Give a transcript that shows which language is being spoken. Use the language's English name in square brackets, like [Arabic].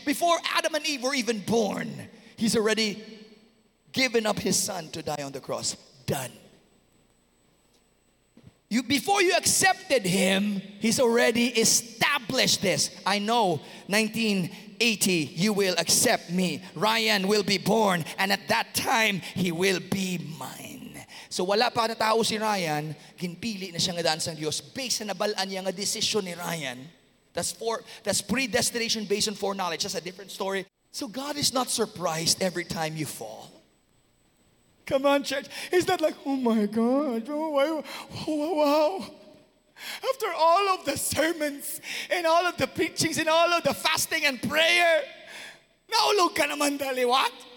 [English] Before Adam and Eve were even born, He's already given up His son to die on the cross. Done. Before you accepted Him, He's already established this. I know 1980, you will accept me. Ryan will be born, and at that time, he will be mine. [Hiligaynon] So wala pa na tao si Ryan, ginpili na siya ngadaan sa Diyos based sa nabalaan niya ng desisyon ni Ryan. [English] That's predestination based on foreknowledge. That's a different story. So God is not surprised every time you fall. Come on, church. He's not like, oh my God, oh wow. After all of the sermons and all of the preachings and all of the fasting and prayer, [Hiligaynon] naulog ka naman dali, [English] what?